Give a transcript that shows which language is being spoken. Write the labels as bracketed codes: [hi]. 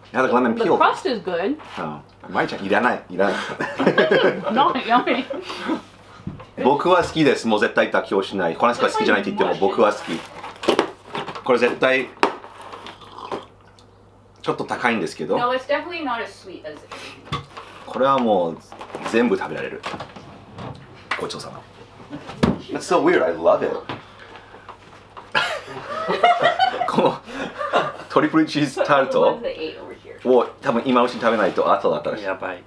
[en] Yeah, like lemon peel. The crust is good. Oh. Mai-chan, [ja] いらない。いらない。 [en] Not yummy. [ja] 僕は好きです。もう絶対妥協しない。この人が好きじゃないって言っても、僕は好き。これ絶対、ちょっと高いんですけど。 [en] No, it's definitely not as sweet as it is. [ja] これはもう、全部食べられる。ごちそうさま。 [en] That's so weird. I love it. [ja] このトリプルチーズタルトを多分今うちに食べないと後だったらやばい、